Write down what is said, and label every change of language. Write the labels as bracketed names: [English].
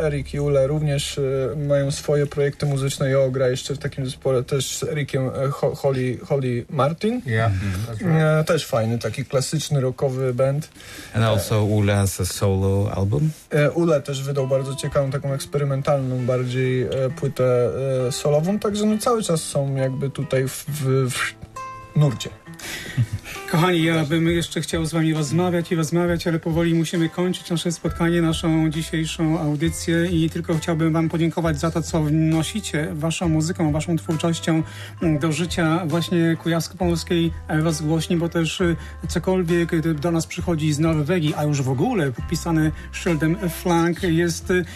[Polish] Erik i Ule również mają swoje projekty muzyczne. Jo gra jeszcze w takim zespole też z Erikiem, Holy Martin. [English] Yeah, that's right. [Polish] Też fajny, taki klasyczny rockowy band. [English] And also Ule has a solo album. [Polish] Ule też wydał bardzo ciekawą, taką eksperymentalną bardziej płytę solową, także no cały czas są jakby tutaj w nurcie. Kochani, ja bym jeszcze chciał z wami rozmawiać, ale powoli musimy kończyć nasze spotkanie, naszą dzisiejszą audycję i tylko chciałbym wam podziękować za to, co wnosicie waszą muzyką, waszą twórczością do życia właśnie kujawsko-pomorskiej rozgłośni, bo też cokolwiek do nas przychodzi z Norwegii, a już w ogóle podpisane szyldem Flank, jest